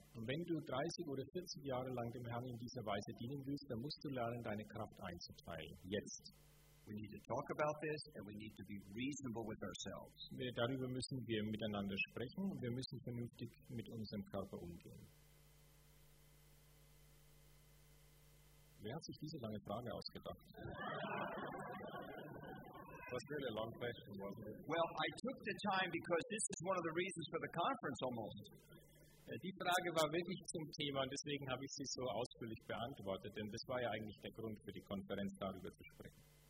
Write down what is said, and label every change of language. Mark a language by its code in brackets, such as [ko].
[de] Und wenn du 30 oder 40 Jahre lang dem Herrn in dieser Weise dienen willst, dann musst du lernen, deine Kraft einzuteilen. Jetzt. [en] We need to talk about this and we need to be reasonable with ourselves. [de] Darüber müssen wir miteinander sprechen und wir müssen vernünftig mit unserem Körper umgehen. Wer hat sich diese lange Frage ausgedacht? [en] That's really a long question, wasn't it? Well, I took the time because this is one of the reasons for the conference almost. [de] Die Frage war wirklich zum Thema und deswegen habe ich sie so ausführlich beantwortet, denn das war ja eigentlich der Grund für die Konferenz, darüber zu sprechen.